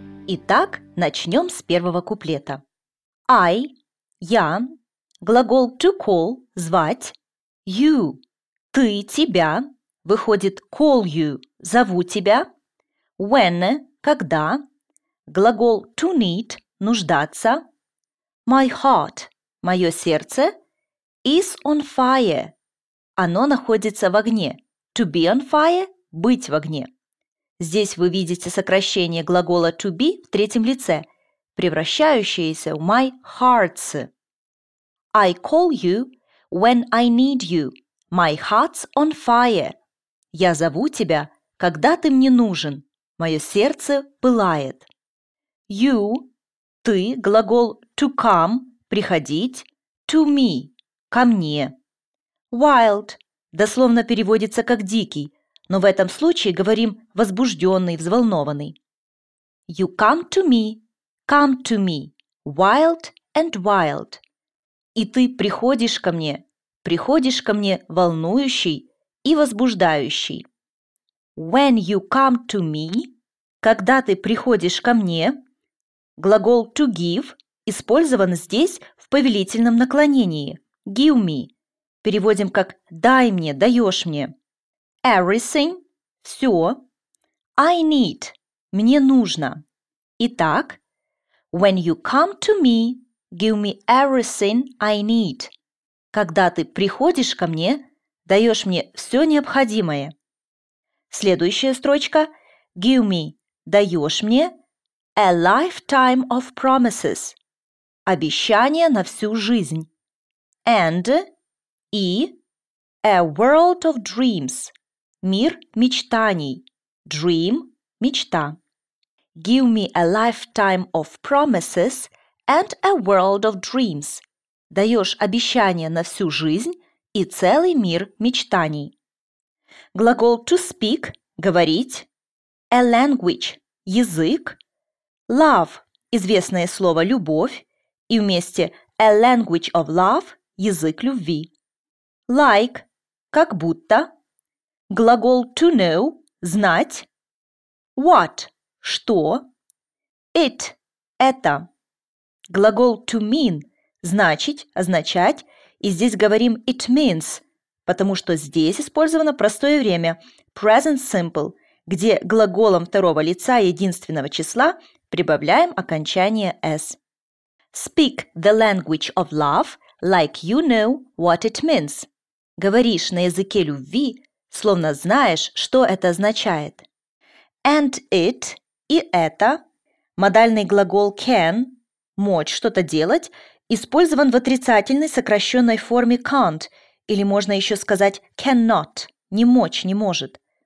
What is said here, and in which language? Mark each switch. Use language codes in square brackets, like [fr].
[ru] Итак, начнем с первого куплета. I – я, глагол to call – звать, you – ты, тебя, выходит call you – зову тебя, when – когда, глагол to need – нуждаться, my heart – мое сердце, [en] is on fire [ru] – оно находится в огне, [en] to be on fire [ru] – быть в огне. Здесь вы видите сокращение глагола to be в третьем лице, превращающееся в my heart's. [en] I call you when I need you. My heart's on fire. [ru] Я зову тебя, когда ты мне нужен. Мое сердце пылает. You – ты, глагол to come – приходить, to me – ко мне. Wild – дословно переводится как «дикий», но в этом случае говорим «возбужденный», «взволнованный». [en] You come to me, wild and wild. [ru] И ты приходишь ко мне волнующий и возбуждающий. [en] When you come to me, [ru] когда ты приходишь ко мне, глагол to give использован здесь в повелительном наклонении. [en] Give me. [ru] Переводим как «дай мне», «даешь мне». Everything – все. I need – мне нужно. Итак, [en] when you come to me, give me everything I need. [ru] Когда ты приходишь ко мне, даешь мне все необходимое. Следующая строчка. [en] Give me – [ru] даешь мне [en] a lifetime of promises. [ru] Обещание на всю жизнь. And – и a world of dreams. Мир мечтаний. Dream – мечта. [en] Give me a lifetime of promises and a world of dreams. [ru] Даешь обещание на всю жизнь и целый мир мечтаний. Глагол to speak – говорить. A language – язык. Love – известное слово «любовь». И вместе a language of love – язык любви. Like – как будто. Глагол to know – знать. What – что. It – это. Глагол to mean – значить, означать. И здесь говорим it means, потому что здесь использовано простое время – present simple, где глаголом второго лица единственного числа прибавляем окончание s. [en] Speak the language of love like you know what it means. [ru] Говоришь на языке любви – словно знаешь, что это означает. [en] And it [ru] и это, модальный глагол can, мочь что-то делать, использован в отрицательной сокращенной форме can't, или можно еще сказать cannot, не мочь, не может.